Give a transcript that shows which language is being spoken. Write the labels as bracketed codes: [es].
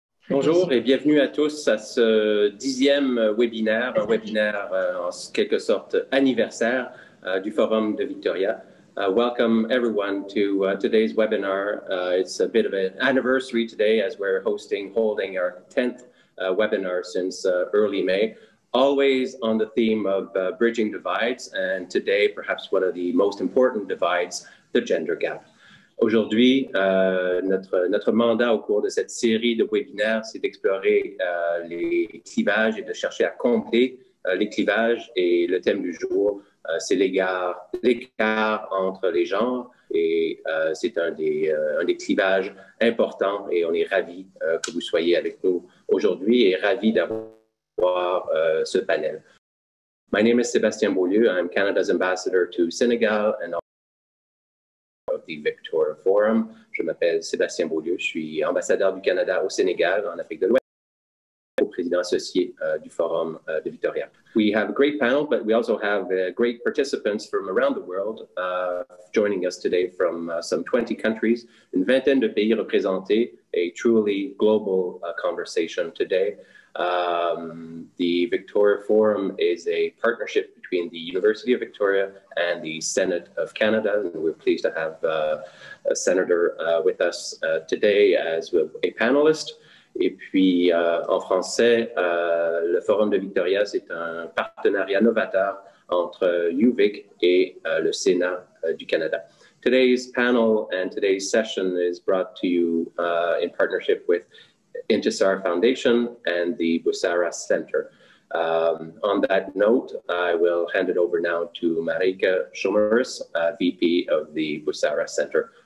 [fr] Bonjour et bienvenue à tous à ce dixième webinaire, un webinaire en quelque sorte anniversaire du Forum de Victoria. [en] Welcome everyone to today's webinar. It's a bit of an anniversary today as we're holding our 10th webinar since early May, always on the theme of bridging divides, and today perhaps one of the most important divides, the gender gap. [fr] Aujourd'hui, notre mandat au cours de cette série de webinaires, c'est d'explorer les clivages et de chercher à combler les clivages. Et le thème du jour, c'est l'écart entre les genres. Et c'est un des clivages importants. Et on est ravis que vous soyez avec nous aujourd'hui et ravis d'avoir ce panel. [en] My name is Sébastien Beaulieu. I'm Canada's ambassador to Senegal and the Victoria Forum. [fr] Je m'appelle Sébastien Beaulieu, je suis ambassadeur du Canada au Sénégal, en Afrique de l'Ouest, co-président associé du Forum de Victoria. [en] We have a great panel, but we also have great participants from around the world joining us today from some 20 countries, [fr] une vingtaine de pays représentés, [en] a truly global conversation today. The Victoria Forum is a partnership between the University of Victoria and the Senate of Canada, and we're pleased to have a senator with us today as a panelist. [fr] Et puis, en français, le Forum de Victoria, c'est un partenariat novateur entre UVic et le Sénat du Canada. [en] Today's panel and today's session is brought to you in partnership with Intisar Foundation and the Bussara Center. On that note, I will hand it over now to Marika Schumers, VP of the Bussara Center.